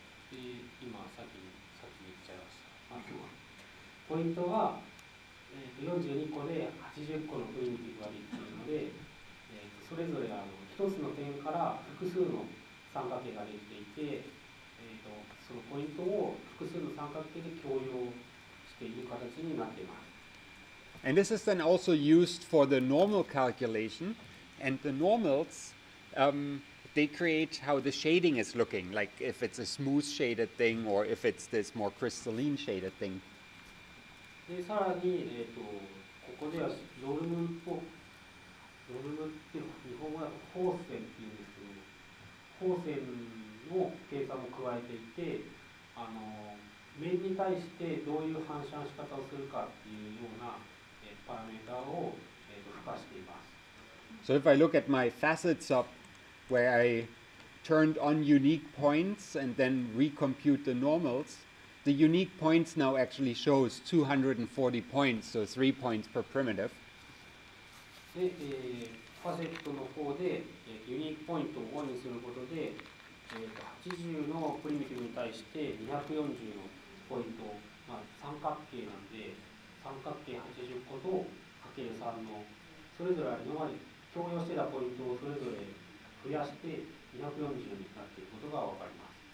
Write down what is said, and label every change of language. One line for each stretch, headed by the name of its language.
Japanese: で、今さっき言っちゃいました。まずはポイントは42個で80個のプリミティブができているので、それぞれ1つの点から複数の三角形ができていて、そのポイントを複数の三角形で共用している形になっています。
English: And this is then also used for the normal calculation, and the normals, they create how the shading is looking, like if it's a smooth shaded thing or if it's this more crystalline shaded thing.
Japanese: でさらに、ここではノルムと、ノルムっていうのは日本語だと方線っていうんですけど、方線の計算も加えていて、面に対してどういう反射の仕方をするかっていうようなパラメータを、付加しています。
English: So if I look at my facet SOP where I turned on unique points and then recompute the normals,The unique points now actually shows 240 points, so 3 points per primitive.
Japanese: で、ファセットの方で、ユニークポイントをオンにすることで、80のプリミティブに対して240のポイント、まあ、三角形なんで、三角形80個と ×3 の、それぞれ今まで共用してたポイントをそれぞれ増やして240になっていることがわかります。